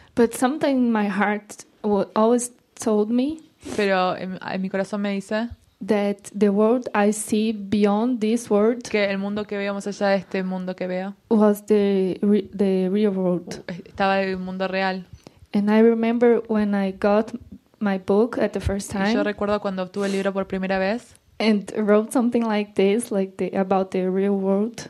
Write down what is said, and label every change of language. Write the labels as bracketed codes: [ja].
[en] But something in my heart would always told me, [es] pero en mi corazón me dice [en] that the world I see beyond this world, [es] que el mundo que veo más allá de este mundo que veo, [en] was the real world, [es] estaba el mundo real. [en] And I remember when I got my book at the first time, [es] y yo recuerdo cuando obtuve el libro por primera vez, [en] and wrote something like this, like the, about the real world,